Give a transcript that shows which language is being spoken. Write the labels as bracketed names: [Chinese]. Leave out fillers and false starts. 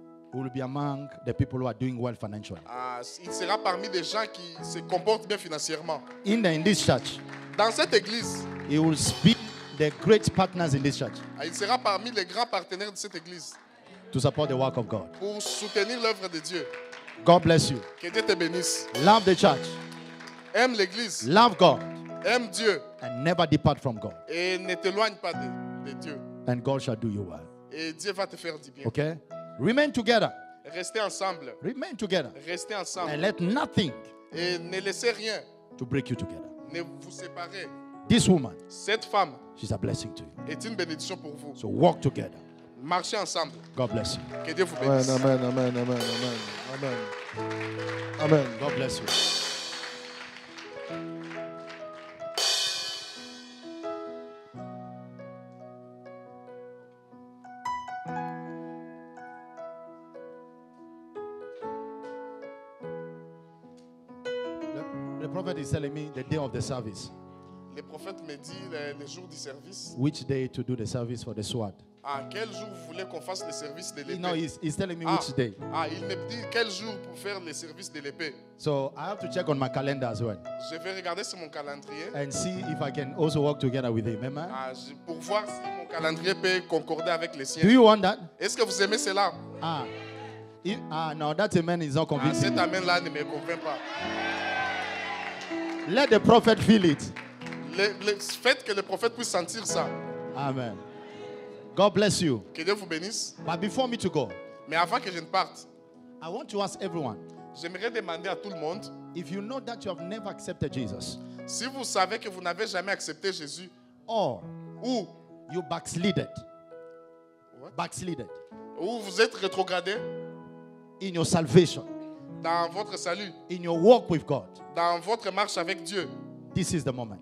[English] Will be among the people who are doing well financially. [French] Il sera parmi des gens qui se comportent bien financièrement. [English] In this church. [French] Dans cette église. [English] He will be the great partners in this church. [French] Il sera parmi les grands partenaires de cette église. [English] To support the work of God. [French] Pour soutenir l'œuvre de Dieu. [English] God bless you. [French] Que Dieu te bénisse. [English] Love the church. [French] Aime l'église. [English] Love God. [French] Aime Dieu. [English] And never depart from God. [French] Et ne t'éloigne pas de Dieu. [English] And God shall do you well. [French] Et Dieu va te faire du bien. [English] Okay? Remain together. [French] Restez ensemble. [English] Remain together. [French] Restez ensemble. [English] And let nothing. [French] Et ne laissez rien. [English] To break you together. [French] Ne vous séparer. [English] This woman. [French] Cette femme. [English] She's a blessing to you. [French] Est une bénédiction pour vous. [English] So walk together. [French] Marchez ensemble. [English] God bless you. [French] Que Dieu vous bénisse. [English] Amen. Amen. Amen. Amen. Amen. Amen. God bless you. Telling me the day of the service. [French] Le prophète me dit le jour du service. [English] Which day to do the service for the SWAT? [French] Quel jour vous voulez qu'on fasse le service de l'épée? [English] No, he's telling me which day. [French] Il me dit quel jour pour faire le service de l'épée. [English] So I have to check on my calendar as well. [French] Je vais regarder sur mon calendrier. [English] And see if I can also work together with him, amen. [French] Pour voir si mon calendrier peut concorder avec le sien. [English] Do you want that? [French] Est-ce que vous aimez cela? [English] No, that amen is not convincing. [French] Cet amen là ne me convainc pas. [English] Let the prophet feel it. [French] Faites que le prophète puisse sentir ça. [English] Amen. God bless you. [French] Que Dieu vous bénisse. [English] But before me to go. [French] Mais avant que je ne parte. [English] I want to ask everyone. [French] J'aimerais demander à tout le monde. [English] If you know that you have never accepted Jesus. [French] Si vous savez que vous n'avez jamais accepté Jésus. [English] Or you backslided. What? Backslided. [French] Ou vous êtes rétrogradé. [English] In your salvation. [French] Dans votre salut. [English] In your walk with God. [French] Dans votre marche avec Dieu. [English] This is the moment.